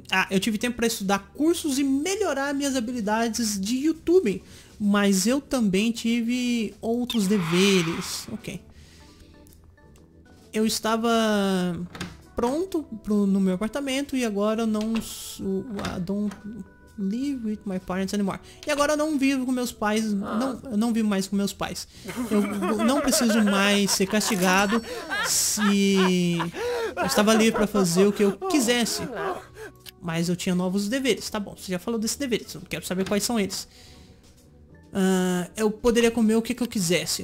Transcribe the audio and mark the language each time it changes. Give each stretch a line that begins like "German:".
Portuguese: eu tive tempo para estudar cursos e melhorar minhas habilidades de YouTube. Mas eu também tive outros deveres. Ok. Eu estava pronto no meu apartamento e agora eu não...
English: I don't live with my parents anymore.
Portuguese: E agora eu não vivo com meus pais. Não, eu não vivo mais com meus pais. Eu não preciso mais ser castigado se... Eu estava livre para fazer o que eu quisesse. Mas eu tinha novos deveres. Tá bom, você já falou desses deveres. Eu quero saber quais são eles. Eu poderia comer o que, que eu quisesse.